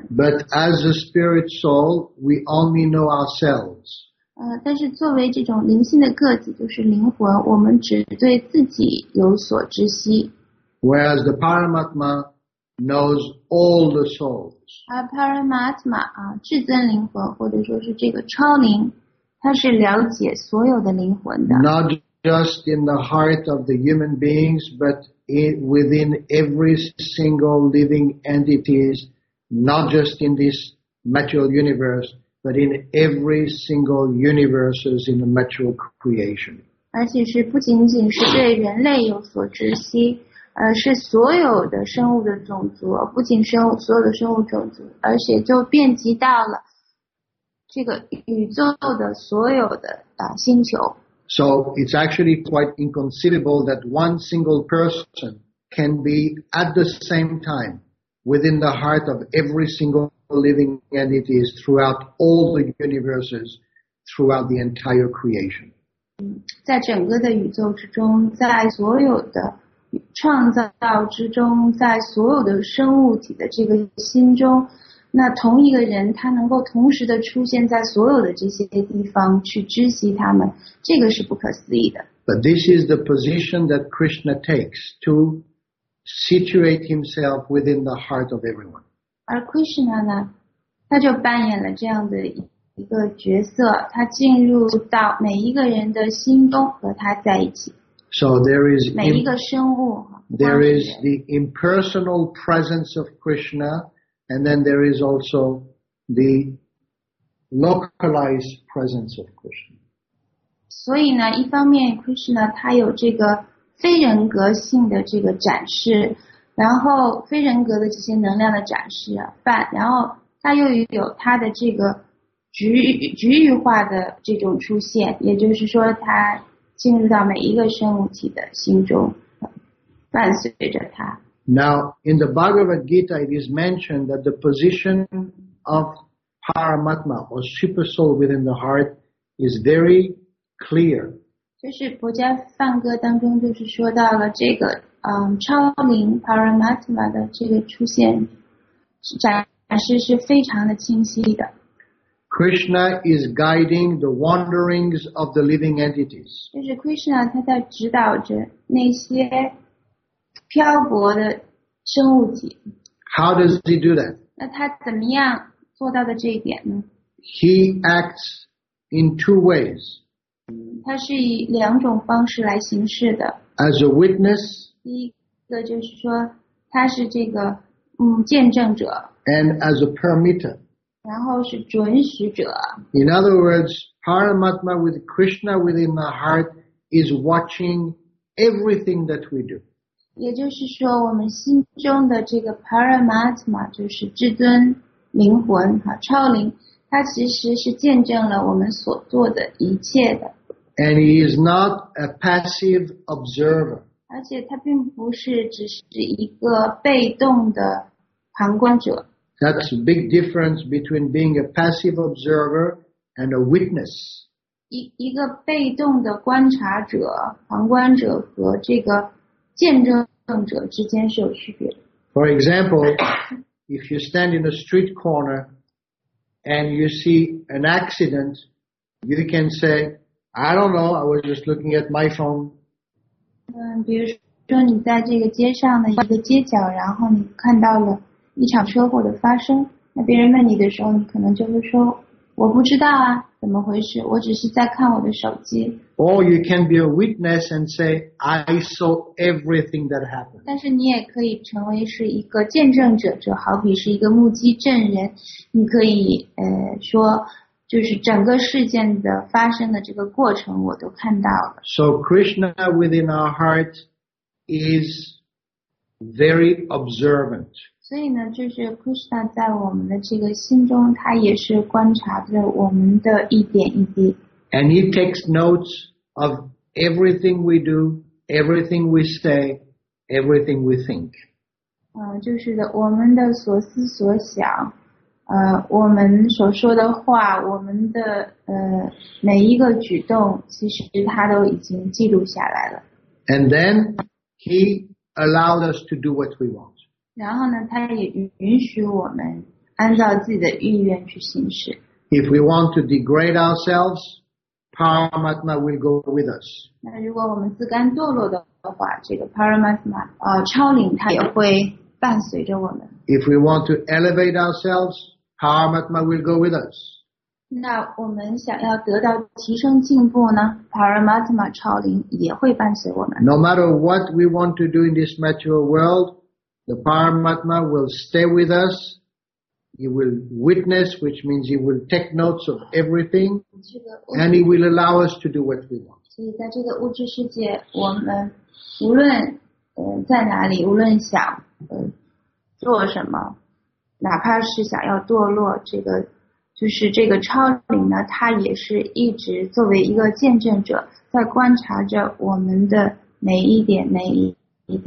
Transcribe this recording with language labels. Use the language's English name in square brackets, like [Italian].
[English] But as a spirit soul, we only know ourselves. [Chinese] 但是作为这种灵性的个体，就是灵魂，我们只对自己有所知悉。 [English] Whereas the Paramatma knows all the souls. [Chinese] Paramatma 至尊灵魂，或者说是这个超灵，它是了解所有的灵魂的。 [English] Not just in the heart of the human beings, but within every single living entities, not just in this material universe. But in every single universe is in the material creation. [Chinese] 而且是不仅仅是对人类有所知悉，是所有的生物的种族，不仅所有的生物种族，而且就遍及到了这个宇宙的所有的星球。 [English] So it's actually quite inconceivable that one single person can be at the same time within the heart of every single. Living entities throughout all the universes, throughout the entire creation. [Chinese] 在整个的宇宙之中，在所有的创造之中，在所有的生物体的这个心中，那同一个人他能够同时的出现在所有的这些地方去知悉他们，这个是不可思议的。 [English] But this is the position that Krishna takes to situate himself within the heart of everyone. [Chinese] 而 Krishna 呢，他就扮演了这样的一个角色，他进入到每一个人的心中，和他在一起。 [English] So there is [Chinese] 每一个生物。 [English] There is the impersonal presence of Krishna, and then there is also the localized presence of Krishna. [Chinese] 所以呢，一方面 Krishna 他有这个非人格性的这个展示，然后非人格的这些能量的展示，然后它又有它的这个局域化的这种出现，也就是说它进入到每一个生物体的心中，伴随着它。 [English] Now, in the Bhagavad Gita, it is mentioned that the position of Paramatma, or Super Soul within the heart, is very clear. [Chinese] 就是佛家梵歌当中就是说到了这个超灵 Paramatma 的这个出现展示是非常的清晰的。 [English] Krishna is guiding the wanderings of the living entities. [Chinese] 就是 Krishna 他在指导着那些漂泊的生物体。 [English] How does he do that? [Chinese] 那他怎么样做到的这一点呢？ [English] He acts in two ways. [Chinese] 他是以两种方式来行事的。 [English] As a witness. [Chinese] 第一个就是说他是这个见证者。 [English] And as a permitter. [Chinese] 然后是准许者。 [English] In other words, Paramatma with Krishna within the heart is watching everything that we do. [Chinese] 也就是说我们心中的这个 Paramatma 就是至尊灵魂超灵，它其实是见证了我们所做的一切的。 [English] And he is not a passive observer. [Chinese] 而且他并不是只是一个被动的旁观者。 [English] That's a big difference between being a passive observer and a witness. [Chinese] 一个被动的观察者、旁观者和这个见证者之间是有区别的。 [English] For example, if you stand in a street corner and you see an accident, you can say, I don't know, I was just looking at my phone. [Chinese] 比如说你在这个街上的一个街角，然后你看到了一场车祸的发生，那别人问你的时候，你可能就会说，我不知道啊，怎么回事，我只是在看我的手机。 [English] Or you can be a witness and say, I saw everything that happened. [Chinese] 但是你也可以成为是一个见证者，就好比是一个目击证人，你可以说，就是整个事件的发生的这个过程我都看到了。 [English] So Krishna within our heart is very observant. [Chinese] 所以呢，就是 Krishna 在我们的这个心中，他也是观察着我们的一点一滴。 [English] And he takes notes of everything we do, everything we say, everything we think. [Chinese] 就是的，我们的所思所想，我们所说的话，我们的每一个举动，其实他都已经记录下来了。 [English] And then he allowed us to do what we want. [Chinese] 然后呢，他也允许我们按照自己的意愿去行事。 [English] If we want to degrade ourselves, Paramatma will go with us. [Chinese] 那如果我们自甘堕落的话，这个 Paramatma, 超灵他也会伴随着我们。 [English] If we want to elevate ourselves, Paramatma will go with us. [Chinese] 那我们想要得到提升进步呢， Paramatma 超灵也会伴随我们。 [English] No matter what we want to do in this material world,The Paramatma will stay with us. He will witness, which means he will take notes of everything. And he will allow us to do what we want. [Chinese] 所以在这个物质世界，我们无论在哪里，无论想做什么，哪怕是想要堕落，这个就是这个超灵呢，它也是一直作为一个见证者，在观察着我们的每一点每一点。